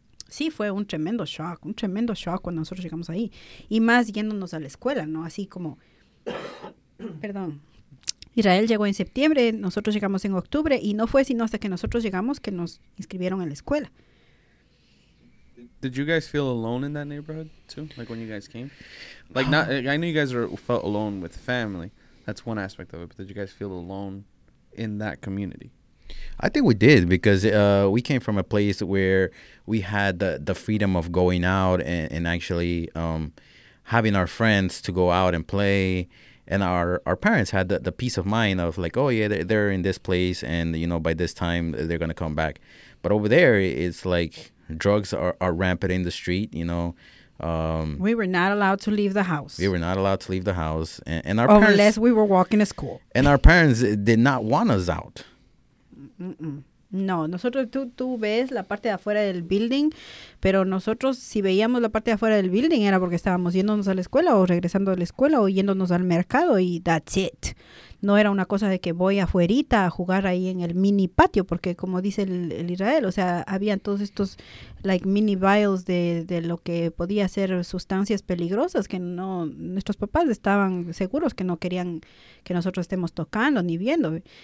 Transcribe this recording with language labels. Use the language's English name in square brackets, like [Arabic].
[Spanish] Sí, fue un tremendo shock cuando nosotros llegamos ahí. Y más yéndonos a la escuela, ¿no? Así como, perdón, Israel llegó en septiembre, nosotros llegamos en octubre, y no fue sino hasta que nosotros llegamos que nos inscribieron en la escuela. [English] Did you guys feel alone in that neighborhood too? Like when you guys came? Like, not, I know you guys felt alone with family. That's one aspect of it. But did you guys feel alone in that community? I think we did because we came from a place where we had the freedom of going out and actually having our friends to go out and play. And our parents had the peace of mind of like, oh, yeah, they're in this place. And, you know, by this time, they're going to come back. But over there, it's like drugs are rampant in the street, you know. We were not allowed to leave the house. We were not allowed to leave the house. And our parents, unless we were walking to school. And our parents did not want us out. [Spanish] No, nosotros, tú ves la parte de afuera del building, pero nosotros si veíamos la parte de afuera del building era porque estábamos yéndonos a la escuela o regresando de la escuela o yéndonos al mercado y [English] that's it. [Spanish] No era una cosa de que voy afuerita a jugar ahí en el mini patio, porque como dice el Israel, o sea, habían todos estos [English] like mini vials [Spanish] de lo que podía ser sustancias peligrosas que no, nuestros papás estaban seguros que no querían que nosotros estemos tocando ni viendo.